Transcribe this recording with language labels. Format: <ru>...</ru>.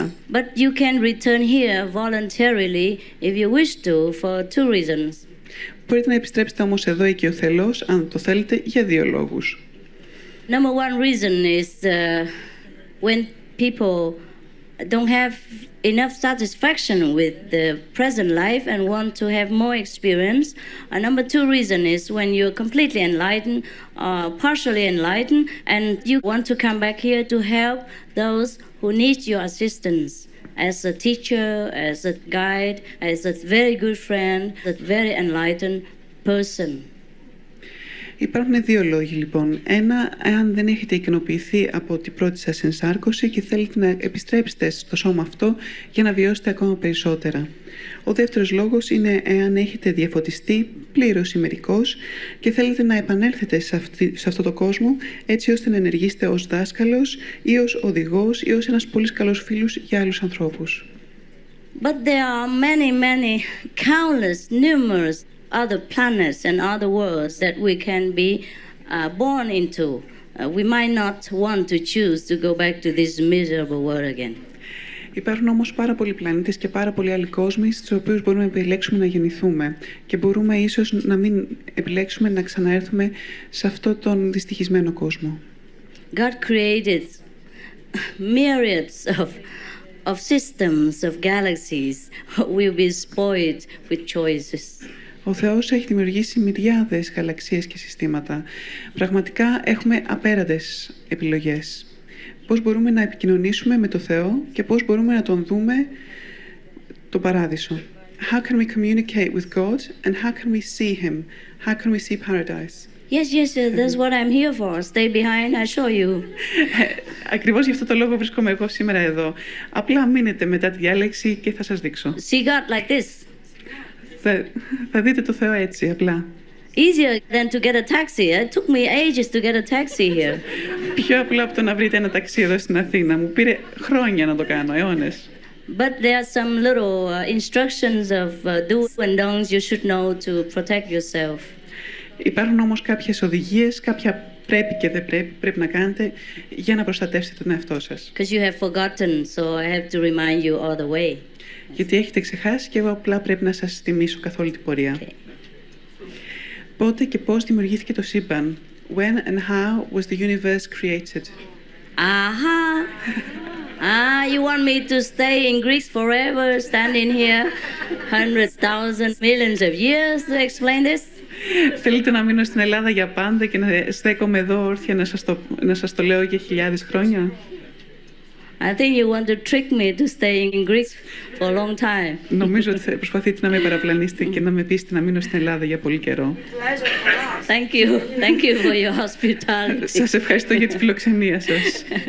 <en>But you can return here voluntarily if you wish to for two reasons.</en> <el>Μπορείτε να επιστρέψετε όμως εδώ οικειοθελώς αν το θέλετε για δύο λόγους.</el> <en>Number one reason is when people don't have enough satisfaction with the present life and want to have more experience. And number two reason is when you're completely enlightened, partially enlightened, and you want to come back here to help those who need your assistance as a teacher, as a guide, as a very good friend, a very enlightened person.</en> <el>Υπάρχουν δύο λόγοι λοιπόν. Ένα, εάν δεν έχετε ικανοποιηθεί από την πρώτη σας ενσάρκωση και θέλετε να επιστρέψετε στο σώμα αυτό για να βιώσετε ακόμα περισσότερα. Ο δεύτερος λόγος είναι εάν έχετε διαφωτιστεί πλήρως ή μερικώς και θέλετε να επανέλθετε σε αυτόν τον κόσμο έτσι ώστε να ενεργήσετε ως δάσκαλος ή ως οδηγός ή ως ένας πολύ καλός φίλος για άλλους ανθρώπους.</el> <en>But there are many, many, countless, numerous other planets and other worlds that we can be born into. We might not want to choose to go back to this miserable world again.</en> <el>Υπάρχουν όμως πάρα πολλοί πλανήτες και πάρα πολλοί άλλοι κόσμοι στους οποίους μπορούμε να επιλέξουμε να γεννηθούμε και μπορούμε ίσως να μην επιλέξουμε να ξαναέρθουμε σε αυτόν τον δυστυχισμένο κόσμο.</el> <en>God created myriads of systems, of galaxies. We'll be spoiled with choices.</en> <el>Ο Θεός έχει δημιουργήσει μυριάδες γαλαξίες και συστήματα. Πραγματικά έχουμε απέραντες επιλογές. Πώς μπορούμε να επικοινωνήσουμε με το Θεό και πώς μπορούμε να τον δούμε το παράδεισο.</el> <en>How can we communicate with God and how can we see Him? How can we see paradise? Yes, that's what I'm here for. Stay behind, I'll show you.</en> <el>Ακριβώς γι' αυτό το λόγο βρίσκομαι εγώ σήμερα εδώ. Απλά μείνετε μετά τη διάλεξη και θα σας δείξω.</el> <en>See God like this.</en> <el>Θα δείτε το Θεό έτσι, απλά.</el> <en>Easier than to get a taxi. It took me ages to get a taxi here.</en> <el>Πιο απλά από το να βρείτε ένα ταξί εδώ στην Αθήνα. Μου πήρε χρόνια να το κάνω, αιώνες.</el> <en>But there are some little instructions of do's and don'ts you should know to protect yourself.</en> <el>Υπάρχουν όμως κάποιες οδηγίες, κάποια πρέπει και δεν πρέπει, πρέπει να κάνετε για να προστατεύσετε τον εαυτό σας.</el> <en>Because you have forgotten, so I have to remind you all the way.</en> <el>Γιατί έχετε ξεχάσει και εγώ απλά πρέπει να σας θυμίσω καθ' όλη την πορεία.</el> <en>Okay.</en> <el>Πότε και πώς δημιουργήθηκε το σύμπαν?</el> <en>When and how was the universe created? Αχα! You want me to stay in Greece forever, standing here, hundreds, thousands, millions of years to explain this?</en> <el>Θέλετε να μείνω στην Ελλάδα για πάντα και να στέκομαι εδώ όρθια να σας το λέω για χιλιάδες χρόνια?</el> <en>I think you want to trick me to stay in Greece for a long time.</en> <el>Νομίζω ότι προσπαθείτε να με παραπλανήσετε και να με πείσετε να μείνω στην Ελλάδα για πολύ καιρό.</el> <en>Thank you for your hospitality.</en> <el>Σας ευχαριστώ για τη φιλοξενία σας.</el>